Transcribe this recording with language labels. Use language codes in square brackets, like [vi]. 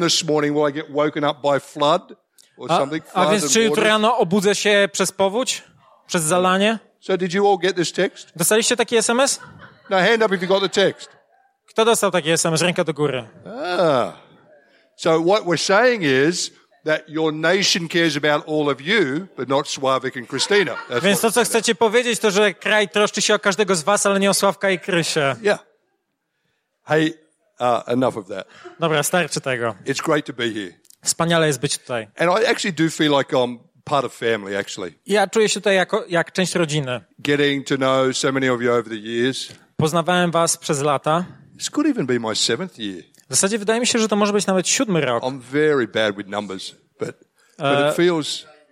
[en] this morning, will I get woken up by flood or something? [pl] A więc czy jutro rano obudzę się przez powódź, przez zalanie? [en] So, did you all get this text? [pl] Dostaliście taki SMS? [en] Now, hand up if you got the text. [pl] Kto dostał taki SMS? Ręka do góry. Ah. [en] So, what we're saying is that your nation cares about all of you, but not Sławek and Krystyna. [pl] Więc to, co chcecie powiedzieć, to, że kraj troszczy się o każdego z was, ale nie o Sławka i Krysię. [en] Yeah. Hey, enough of that. [pl] Dobra, starczy tego. [en] It's great to be here. [pl] Wspaniale jest być tutaj. [en] And I actually do feel like I'm part of family, actually. [pl] Ja czuję się tutaj jako, jak część rodziny. [en] Getting to know so many of you over the years. [pl] Poznawałem was przez lata. [en] This could even be my seventh year. [pl] W zasadzie wydaje mi się, że to może być nawet siódmy rok. [en] I'm very bad with numbers, but it feels.